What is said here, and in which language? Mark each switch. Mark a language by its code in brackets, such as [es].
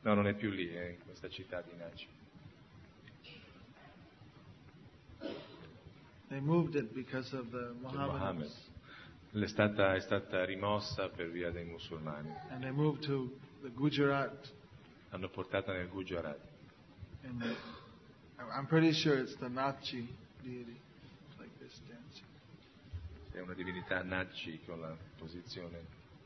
[it] No, non è più lì, è in questa città di Nashik. [en] They moved it because of the Mohammedans. [it] È stata rimossa per via dei musulmani. [en] And they moved to the Gujarat. [it] Hanno portata nel Gujarat. [en] And I'm pretty sure it's the Nachi deity, like this dancing. [it] È una divinità Nachi con la posizione.